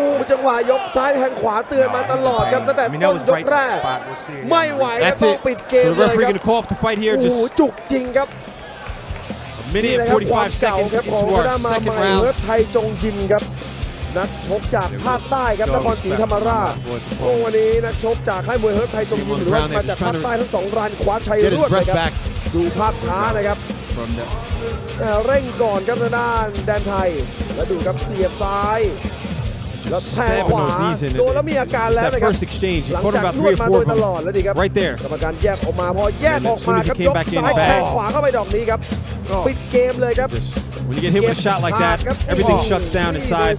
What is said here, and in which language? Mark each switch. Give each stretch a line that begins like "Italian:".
Thai: จังหวะยกซ้ายแทงขวาเตือนมาตลอดครับตั้งแต่ต้นยกแรกไม่ไหวครับต้องปิดเกมเลยครับ
English: The referee going to call off the fight here. Just
Thai: จุกจริงครับ
English: A minute and 45 seconds into our second round.
Thai: ไทยจงจิมครับนักชกจากภาคใต้ครับนครศรีธรรมราชช่วงวันนี้นักชกจากค่ายมวยเฮิร์ทไทยจงยิ้มหรือว่ามาจากภาคใต้ทั้งสองรายคว้าชัยรวดเลยครับดูภาพช้านะครับเร่งก่อนครับทางด้านแดนไทยแล้วดูครับเสียบซ้ายแล้วแทงขวาโดนแล้วมีอาการแล้วนะครับ หลังจากนวดมาโดยตลอดแล้วดีครับ กรรมการแยกออกมาพอแยกออกมาครับยกซ้ายแทงขวาเข้าไปดอกนี้ครับปิดเกมเลยครับ
English: When you get hit with a shot like that, everything shuts down inside.